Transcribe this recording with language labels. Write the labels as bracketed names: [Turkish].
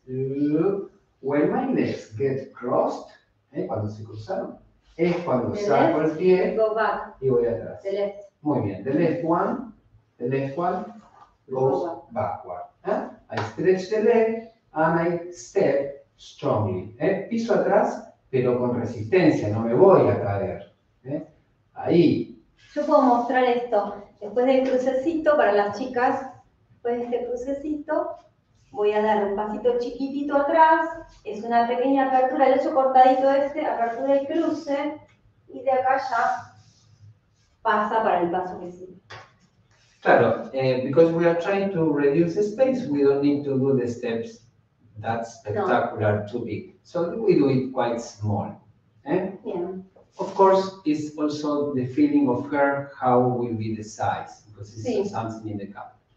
[English] When my legs get crossed, [Spanish] cuando se cruzaron, es cuando saco el pie [English] go back. [Spanish] Y voy atrás. [English] The left. [Spanish] Muy bien, [English] the left one goes backward. I stretch the leg and I step strongly. [Spanish] Piso atrás, pero con resistencia, no me voy a caer. Ahí. Yo puedo mostrar esto. Después del crucecito, para las chicas, después de este crucecito, voy a dar un pasito chiquitito atrás. Es una pequeña apertura, el ocho cortadito este, apertura del cruce. Y de acá ya pasa para el paso que sigue. [English] Claro, because we are trying to reduce the space, we don't need to do the steps that spectacular too big. So we do it quite small. Eh? Yeah. Of course, it's also the feeling of her, how will be the size, because it's something in the cup.